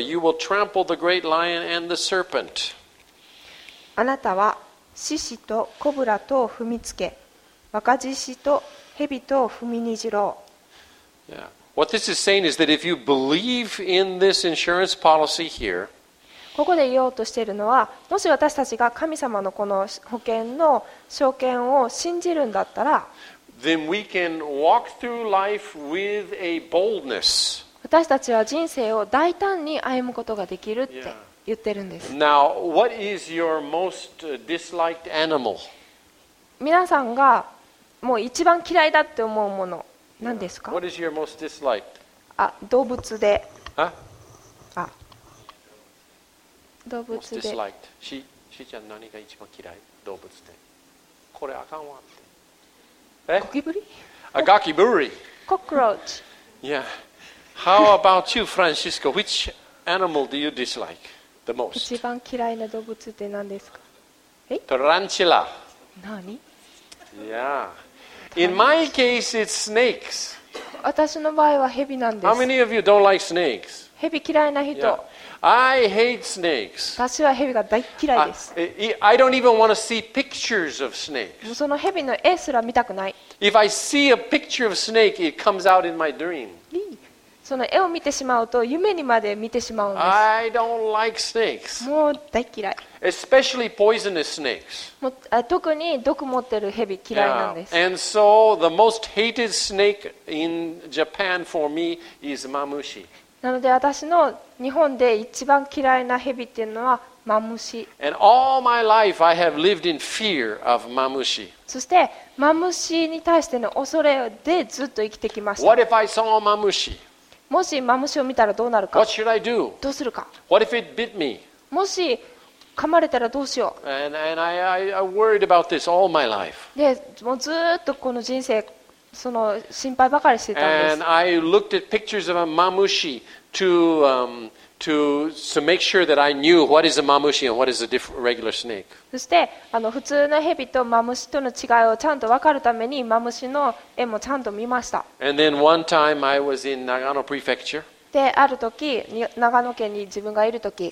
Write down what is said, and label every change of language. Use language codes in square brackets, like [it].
[en] You will trample the great lion and the serpent. [ja] あなたは獅子とコブラとを踏みつけ、若獅子と蛇とを踏みにじろう。 [en] Yeah. What this is saying is that if you believe in this insurance policy here, [ja] ここで言おうとしているのは、もし私たちが神様のこの保険の証券を信じるんだったら、 [en] then we can walk through life with a boldness. [ja] 私たちは人生を大胆に歩むことができるって。 [en] Yeah. [ja] 言ってるんです。 [en] Now, what is your most disliked animal? [ja] 皆さんがもう一番嫌いだって思うもの、何ですか？ [en] What is your most disliked? [ja] あ、動物で。あ？あ、動物で。 [en] Most disliked. [ja] しーちゃん何が一番嫌い？動物で。これあかんわって。え？ゴキブリ？あ、ゴキブリ。 [en] Cockroach. Yeah. How about you, Francisco? Which animal do you dislike? [ja] 一番嫌いな動物って何ですか？え？トランチュラ。何？い [en] や。In my case, it's snakes. [ja] 私の場合は蛇なんです。 [en] How many of you don't like snakes? [ja] 蛇嫌いな人。 [en] Yeah. I hate snakes. [ja] 私は蛇が大嫌いです。 [en] I don't even want to see pictures of snakes. [ja] その蛇の絵すら見たくない。 [en] If I see a picture of snake, it comes out in my dream. [ja] その絵を見てしまうと夢にまで見てしまうんです。 [en] I don't like snakes. [ja] もう大嫌い。 [en] Especially poisonous snakes. [ja] もう特に毒持ってる蛇嫌いなんです。 [en] Yeah. And so the most hated snake in Japan for me is mamushi. [ja] なので私の日本で一番嫌いな蛇っていうのはマムシ。 [en] And all my life I have lived in fear of mamushi. [ja] そしてマムシに対しての恐れでずっと生きてきました。 [en] What if I saw mamushi? [ja] もしマムシを見たらどうなるか。 [en] What should I do? [ja] どうするか。 [en] What if it bit me? [ja] もし噛まれたらどうしよう。 [en] And I worried about this all my life. [ja] で、もうずっとこの人生その心配ばかりしてたんです。 [en] And I looked at pictures of a mamushi to make sure that I knew what is a mamushi and what is a regular snake. [ja] そしてあの普通の蛇とマムシとの違いをちゃんと分かるためにマムシの絵もちゃんと見ました。 [en] And then one time I was in Nagano Prefecture. [ja] で、ある時長野県に自分がいる時。